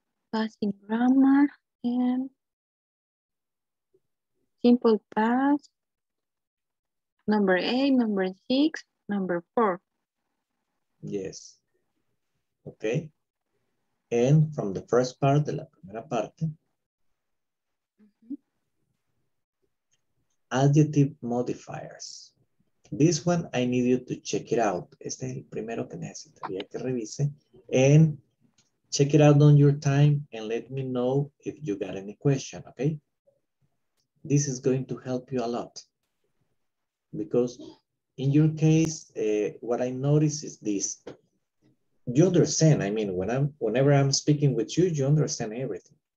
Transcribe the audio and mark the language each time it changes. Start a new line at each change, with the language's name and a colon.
English: Passing grammar and simple past, number 8, number 6, number 4. Yes. Okay. And from the first part,
Spanish: de la primera parte,
English: adjective modifiers. This one, I need you to check it out.
Spanish: Este es el primero que necesitaría que revise.
English: And check it out on your time and let me know if you got any question, okay? This is going to help you a lot. Because in your case, what I notice is this. You understand, I mean, whenever I'm speaking with you, you understand everything.